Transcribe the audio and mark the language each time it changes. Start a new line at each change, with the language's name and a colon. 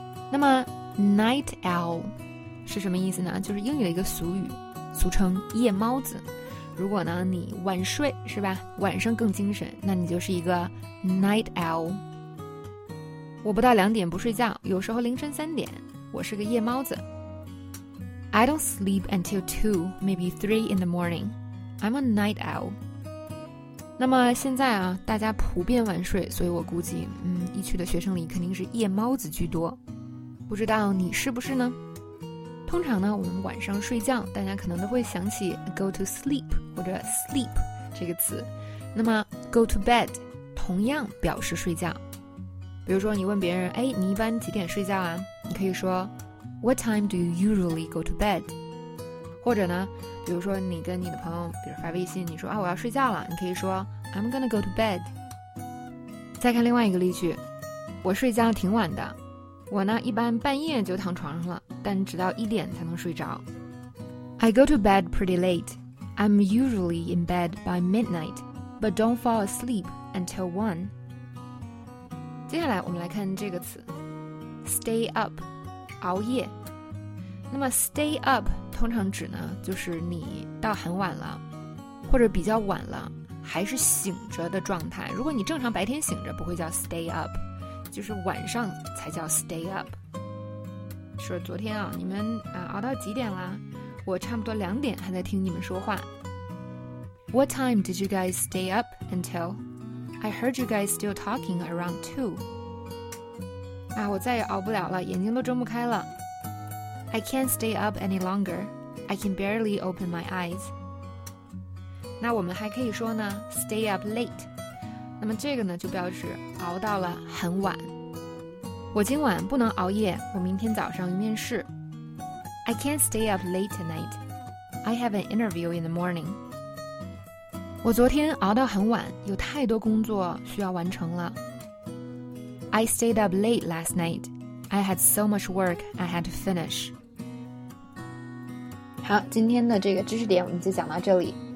Chinese: 那么 Night Owl 是什么意思呢？就是英语的一个俗语，俗称夜猫子。如果呢你晚睡是吧，晚上更精神，那你就是一个 Night Owl。我不到两点不睡觉，有时候凌晨三点，我是个夜猫子。
English: I don't sleep until 2, maybe 3 in the morning. I'm a night owl.
Chinese: 那么现在啊，大家普遍晚睡，所以我估计一区的学生里肯定是夜猫子居多。不知道你是不是呢？通常呢，我们晚上睡觉，大家可能都会想起 go to sleep 或者 sleep 这个词。那么
English: go to bed
Chinese: 同样表示睡觉。比如说你问别人，哎，你一般几点睡觉啊？你可以说
English: What time do you usually go to bed?
Chinese: 或者呢，比如说你跟你的朋友比如发微信，你说啊我要睡觉了，你可以说
English: I'm gonna go to bed.
Chinese: 再看另外一个例句，我睡觉挺晚的，我呢一般半夜就躺床上了，但直到一点才能睡着。
English: I go to bed pretty late. I'm usually in bed by midnight, but don't fall asleep until 1.
Chinese: 接下来我们来看这个词 Stay up. 熬夜，那么 stay up 通常指呢，就是你到很晚了，或者比较晚了，还是醒着的状态。如果你正常白天醒着，不会叫 stay up， 就是晚上才叫 stay up。说昨天啊，你们熬到几点啦？我差不多两点还在听你们说话。
English: What time did you guys stay up until? I heard you guys still talking around 2.
Chinese: 我再也熬不了了，眼睛都睁不开了。
English: I can't stay up any longer. I can barely open my eyes.
Chinese: 那我们还可以说呢 ,
English: stay up late.
Chinese: 那么这个呢就表示熬到了很晚。我今晚不能熬夜，我明天早上有面试。
English: I can't stay up late tonight. I have an interview in the morning.
Chinese: 我昨天熬到很晚，有太多工作需要完成了。
English: I stayed up late last night. I had so much work I had to finish.
Chinese: 好，今天的这个知识点我们就讲到这里。